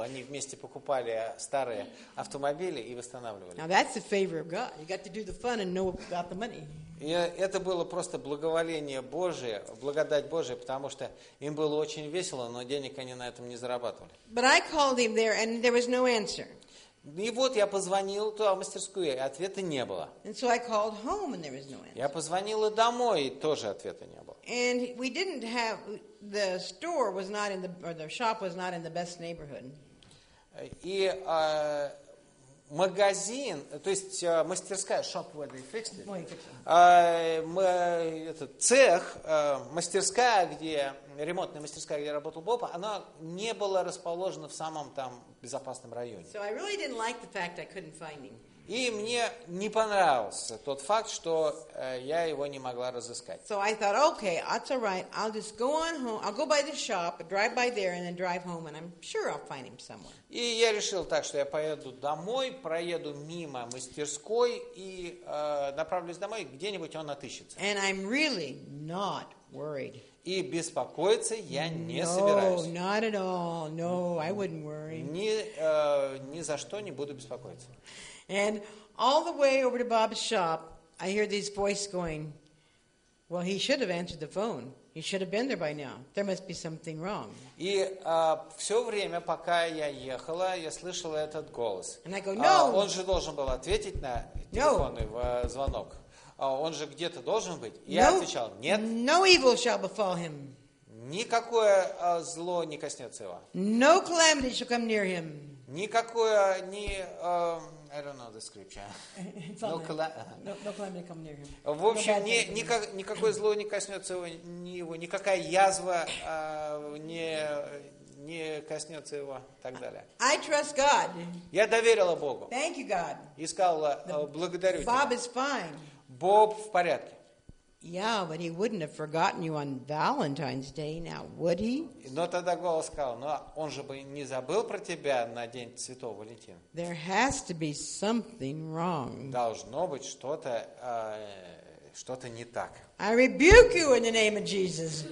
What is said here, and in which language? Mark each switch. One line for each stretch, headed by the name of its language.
Russian: Они вместе покупали старые автомобили и восстанавливали.
English: Now that's the favor of God. You got to do the fun and know about the money.
Russian: И это было просто благоволение Божие, благодать Божия, потому что им было очень весело, но денег они на этом не зарабатывали.
English: But I called him there, and there was no answer.
Russian: И вот я позвонил туда, в мастерскую, и ответа не было.
English: And so I called home, and there was no answer.
Russian: Я позвонила домой, и тоже ответа не было.
English: And we didn't have the store was not in the or the shop was not in the best neighborhood.
Russian: И магазин, то есть мастерская,
English: shop where they fixed it.
Russian: Цех, мастерская, где ремонтная мастерская, где работал Боб, она не была расположена в самом там безопасном районе.
English: So I really didn't like the fact I couldn't find him.
Russian: И мне не понравился тот факт, что я его не могла разыскать.
English: So I thought, okay, that's all right. I'll just go on home. I'll go by the shop, drive by there, and then drive home, and I'm sure I'll find him somewhere.
Russian: И я решил так, что я поеду домой, проеду мимо мастерской и направлюсь домой, где-нибудь он отыщется.
English: And I'm really not worried.
Russian: И беспокоиться я не собираюсь.
English: No, not at all. No, I wouldn't worry.
Russian: Ни за что не буду беспокоиться.
English: And all the way over to Bob's shop, I hear these voices going, well, he should have answered the phone. He should have been there by now. There must be something wrong.
Russian: И все время, пока я ехала, я слышала этот голос.
English: And I go, no.
Russian: Он же должен был ответить на телефонный звонок. Он же где-то должен быть. Я отвечал, нет.
English: No evil shall befall him.
Russian: Никакое зло не коснется его.
English: No calamity shall come near him.
Russian: Никакое не...
English: I don't know the scripture. No calamity come near him.
Russian: В общем, никакое зло не коснется его, ни его, никакая язва не коснется его, и так далее.
English: I trust God.
Russian: Я доверила Богу.
English: Thank you, God.
Russian: И сказала, благодарю тебя.
English: Bob is fine.
Russian: Боб в порядке.
English: Yeah, but he wouldn't have forgotten you on Valentine's Day, now would he?
Russian: Но тогда голос сказал, но он же бы не забыл про тебя на день Святого Валентина.
English: There has to be something wrong.
Russian: Должно быть что-то, что-то не так.
English: I rebuke you in the name of Jesus.